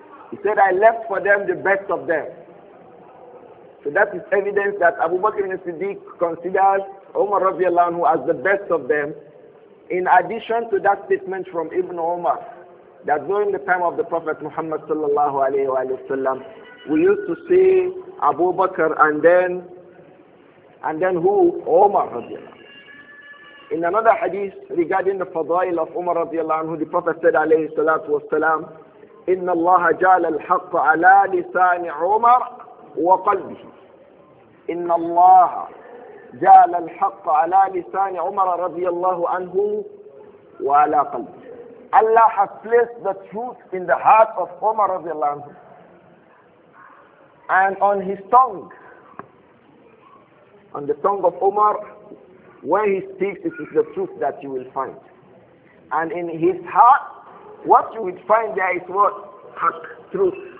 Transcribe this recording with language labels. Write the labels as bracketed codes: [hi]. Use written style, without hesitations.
[en] He said, I left for them the best of them. So that is evidence that Abu Bakr al-Siddiq considered Umar radiallahu anhu as the best of them, in addition to that statement from Ibn Umar, that during the time of the Prophet Muhammad sallallahu alayhi wa sallam, we used to see Abu Bakr and then who? Umar radiallahu anhu. In another hadith regarding the fadail of Umar radiallahu anhu, the Prophet said alayhi salatu wasalam, [ar] إِنَّ اللَّهَ جَعَلَ الْحَقَّ عَلَى لِسَانِ عُمَرْ وَقَلْبِهِ إِنَّ اللَّهَ جعل الحق على لسان عمر رضي الله عنه وعلى قلبه. [en] Allah has placed the truth in the heart of Umar [ar] رضي الله عنه [en] and on his tongue, on the tongue of Umar, when he speaks, it is the truth that you will find. And in his heart, what you will find there is what? Haq, truth.